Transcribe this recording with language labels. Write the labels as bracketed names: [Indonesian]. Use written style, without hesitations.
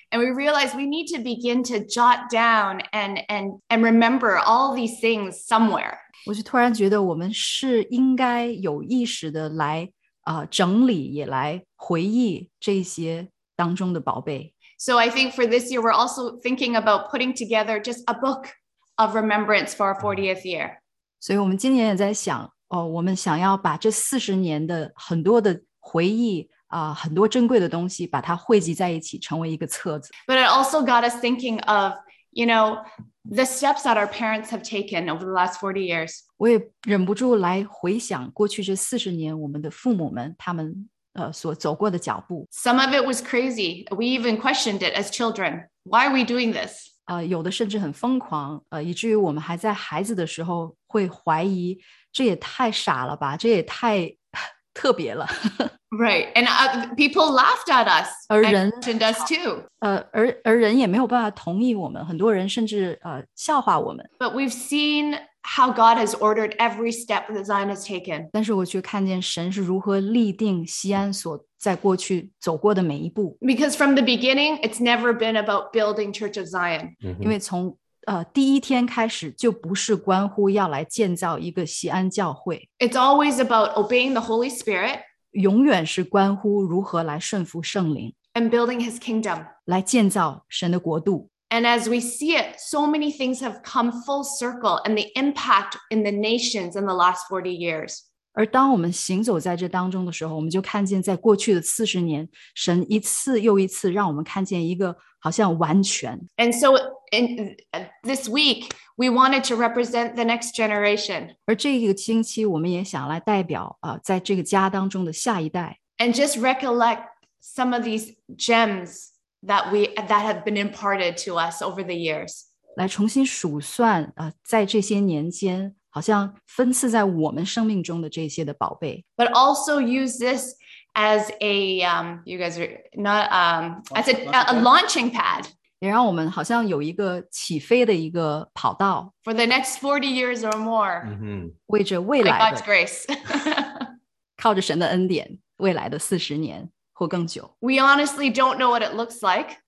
[English] And we realize we need to begin to jot down and remember all these things somewhere. [Chinese] 我就突然觉得我们是应该有意识的来整理，也来回忆这些当中的宝贝。 [English] So I think for this year, we're also thinking about putting together just a book of remembrance for our 40th year. [Chinese] 所以我们今年也在想，我们想要把这四十年的很多的回忆很多珍贵的东西把它汇集在一起，成为一个册子。 [English] But it also got us thinking of, you know, the steps that our parents have taken over the last 40 years. [Chinese] 我也忍不住来回想过去这四十年我们的父母们他们所走过的脚步。 [English] Some of it was crazy. We even questioned it as children. Why are we doing this? [Chinese] 有的甚至很疯狂，以至于我们还在孩子的时候会怀疑，这也太傻了吧，这也太特别了。 [English] Right, and people laughed at us. And us too. [Chinese] 而人也没有办法同意我们，很多人甚至笑话我们。 [English] But we've seen how God has ordered every step that Zion has taken. [Chinese] 但是我却看见神是如何立定西安所在过去走过的每一步。 [English] Because from the beginning, it's never been about building Church of Zion. [Chinese] 因为从第一天开始就不是关乎要来建造一个锡安教会。 [English] It's always about obeying the Holy Spirit. [Chinese] 永远是关乎如何来顺服圣灵。 [English] And building his kingdom. [Chinese] 来建造神的国度。 [English] And as we see it, so many things have come full circle and the impact in the nations in the last 40 years. [Chinese] 而当我们行走在这当中的时候，我们就看见在过去的四十年，神一次又一次让我们看见一个好像完全。 [English] And so,And this week, we wanted to represent the next generation. [Chinese] 而这个星期我们也想来代表在这个家当中的下一代。 [English] And just recollect some of these gems that have been imparted to us over the years. [Chinese] 来重新数算在这些年间好像分赐在我们生命中的这些的宝贝。 [English] But also use this as a, you guys are not, as a launching pad. [Chinese] 也让我们好像有一个起飞的一个跑道。 [English] For the next 40 years or more. [Chinese] 为着未来的。 [English] By God's grace. [Chinese] 靠着神的恩典，未来的四十年或更久。 [English] We honestly don't know what it looks like.